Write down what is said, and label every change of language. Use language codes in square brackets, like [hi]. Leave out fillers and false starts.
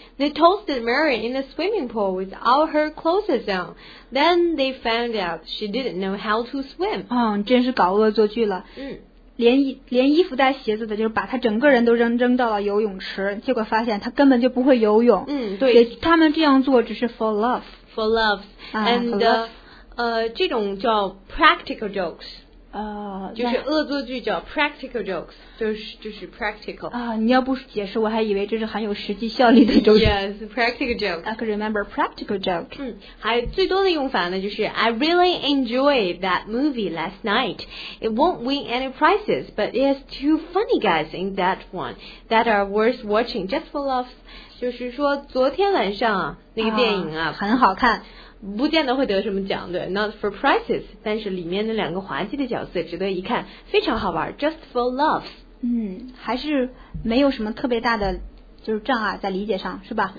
[en] They toasted Mary in the swimming pool with all her clothes on. Then they found out she didn't know how to swim. [zh] 真是搞恶作剧了。连衣服带鞋子的，就是把他整个人都扔到了游泳池，结果发现他根本就不会游泳。对，他们这样做只是 [en] for love。 For love。 And [zh] 这种叫 [en] practical jokes。 [zh] 就是恶作剧叫 practical jokes， 就是 practical。你要不解释，我还以为这是很有实际效力的一种。 [en] Yes, practical joke. I can remember practical joke. [zh] 还最多的用法呢，就是 [en] I really enjoyed that movie last night. It won't win any prizes, but it has two funny guys in that one that are worth watching just for laughs. [zh] 就是说昨天晚上那个电影很好看。不见得会得什么奖，对 ， [en] not for prizes， [zh] 但是里面的两个滑稽的角色值得一看，非常好玩 ， [en] just for laughs。 [zh] 还是没有什么特别大的就是障碍在理解上，是吧